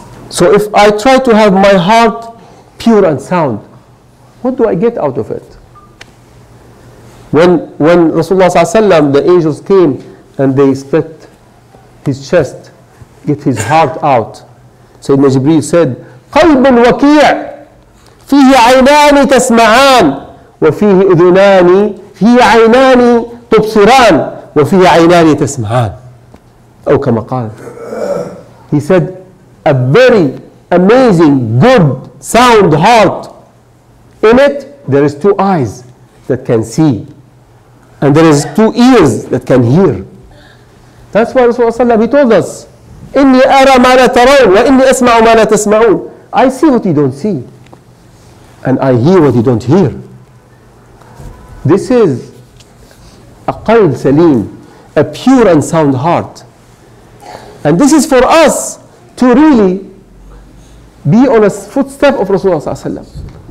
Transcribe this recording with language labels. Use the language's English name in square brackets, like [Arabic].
[English] So if I try to have my heart pure and sound, what do I get out of it? When Rasulullah sallallahu alaihi wasallam, the angels came and they split his chest, get his heart out. Sayyidina Jibreel said, [Arabic] قَلْبٌ وَكِيعٌ فِيهِ عَيْنَانِ تَسْمَعَانِ وَفِيهِ أُذُنَانِ فِيهِ عَيْنَانِ تُبْصِرَانِ وَفِيهِ عَيْنَانِ تَسْمَعَانِ. أو كما قال, [English] he said, a very amazing, good, sound heart. In it, there is two eyes that can see. And there is two ears that can hear. That's why Rasulullah ﷺ, he told us, [Arabic] إِنِّي أَرَى مَا لَا تَرَوْنَ وَإِنِّي أَسْمَعُ مَا لَا تَسْمَعُونَ. [English] I see what you don't see. And I hear what you don't hear. This is a qalb salim, a pure and sound heart. And this is for us to really be on a footstep of Rasulullah ﷺ.